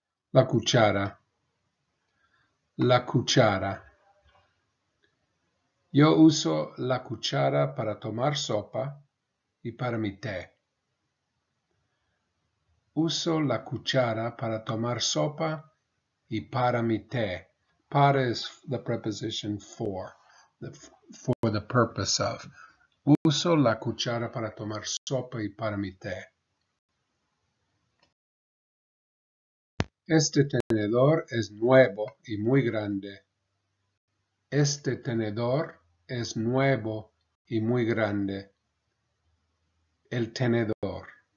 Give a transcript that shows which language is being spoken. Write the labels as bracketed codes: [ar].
[es] La cuchara. La cuchara. Yo uso la cuchara para tomar sopa y para mi té. Uso la cuchara para tomar sopa y para mi té. [en] Para is the preposition for the purpose of. [es] Uso la cuchara para tomar sopa y para mi té. Este tenedor es nuevo y muy grande. Este tenedor es nuevo y muy grande. El tenedor.